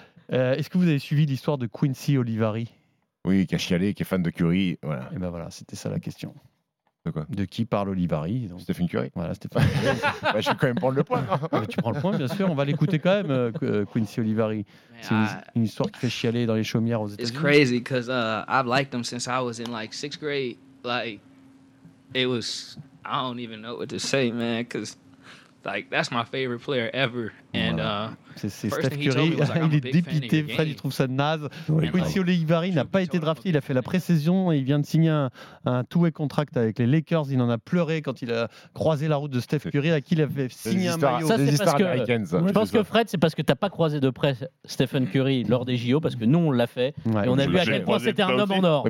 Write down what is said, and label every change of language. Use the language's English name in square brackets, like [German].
[French] Est-ce que vous avez suivi l'histoire de Quincy Olivari? Oui, qui a chialé, qui est fan de Curry. Voilà. Et ben voilà, c'était ça la question. De quoi? De qui parle Olivari? Stéphane Curry. Voilà, Stéphane Curry. Bah, je vais quand même prendre le point. Mais tu prends le point, bien sûr. On va l'écouter quand même, Quincy Olivari. C'est une histoire qui fait chialer dans les chaumières aux États-Unis. [English] It's crazy because I've liked them since I was in like sixth grade. Like, it was. I don't even know what to say, man. Because, like, that's my favorite player ever. And, voilà. [French] C'est Steph Curry, il est dépité, Fred il trouve ça naze. Oui, Quincy Olivari n'a pas été drafté, il a fait la pré-saison et il vient de signer un two-way contract avec les Lakers. Il en a pleuré quand il a croisé la route de Steph Curry à qui il avait signé un maillot. Ça, c'est parce que, je pense que Fred, c'est parce que t'as pas croisé de près Stephen Curry lors des JO, parce que nous on l'a fait et on a vu à quel point c'était un homme en or.